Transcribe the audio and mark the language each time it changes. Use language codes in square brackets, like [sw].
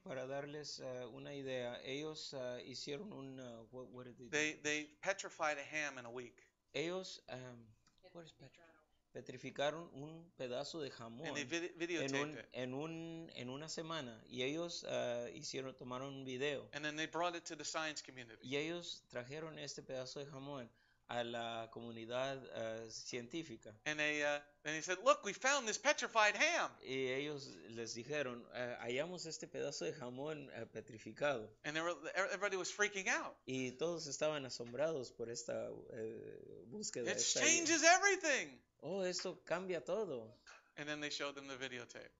[es] Para darles una idea, ellos hicieron un, [en] what did they do? They petrified a ham in a week. [es] Ellos, [en] what is [es] petrificaron un pedazo de jamón en una semana y ellos tomaron un video. [en] And then they brought it to the science community. [es] Y ellos trajeron este pedazo de jamón a la comunidad científica. [en] And they said, look, we found this petrified ham. [es] Y ellos les dijeron, hallamos este pedazo de jamón petrificado. [en] And everybody was freaking out. [es] Y todos estaban asombrados por esta búsqueda. [en] It changes everything. [es] Oh, esto cambia todo. [en] And then they showed them the videotape.